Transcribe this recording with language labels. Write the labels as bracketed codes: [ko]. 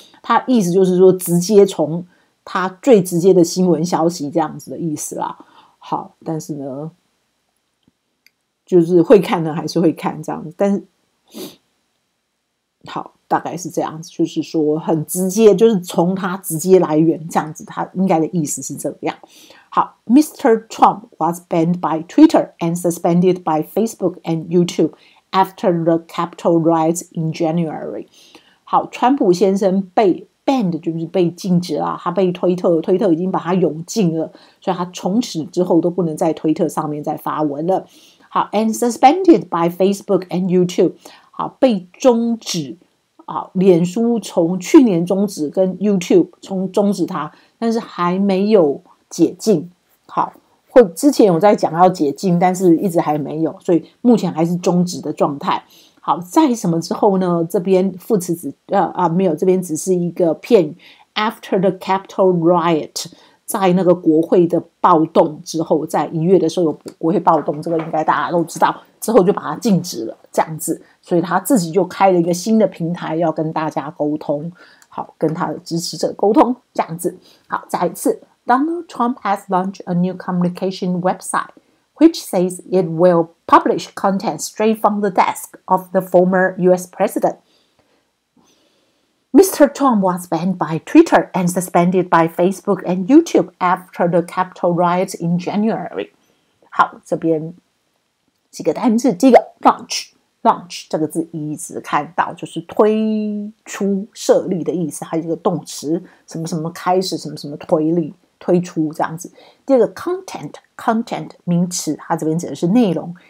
[zh] 他意思就是说直接从他最直接的新闻消息这样子的意思啦。好，但是呢就是会看呢还是会看这样子，但是好，大概是这样子，就是说很直接，就是从他直接来源这样子，他应该的意思是这样。好， Mr. [en] Trump was banned by Twitter and suspended by Facebook and YouTube after the Capitol riots in January. [zh] 好，川普先生被 banned 就是被禁止了，他被推特已经把他永禁了，所以他从此之后都不能在推特上面再发文了。好， [en] and suspended by Facebook and YouTube. [zh] 好，被终止。好，脸书从去年终止，跟 YouTube 从终止他，但是还没有解禁。好，或之前有在讲要解禁，但是一直还没有，所以目前还是终止的状态。好，在什么之后呢？这边副词只没有，这边只是一个片语。 [en] After the Capitol riot， [zh] 在那个国会的暴动之后，在一月的时候有国会暴动，这个应该大家都知道。之后就把它禁止了，这样子，所以他自己就开了一个新的平台，要跟大家沟通，好，跟他的支持者沟通，这样子。好，再一次。 [en] Donald Trump has launched a new communication website, which says it will publish content straight from the desk of the former U.S. president. Mr. Trump was banned by Twitter and suspended by Facebook and YouTube after the Capitol riots in January. [zh] 好，这边几个单字，第一个 launch 这个字一直看到，就是推出设立的意思，还有一个动词什么什么开始什么什么推立。推出这样子。第二个 content 名词，它这边指的是内容。